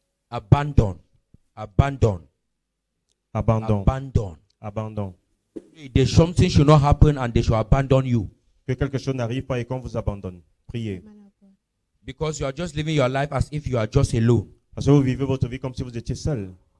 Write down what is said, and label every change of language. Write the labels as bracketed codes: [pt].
[en] Abandon. Abandon. Abandon. Abandon. Abandon. There's something should not happen and they should abandon you. [fr] Que quelque chose n'arrive pas et qu'on vous abandonne. Priez. [en] Because you are just living your life as if you are just alone. [fr] Parce que vous vivez votre vie comme si vous étiez seul.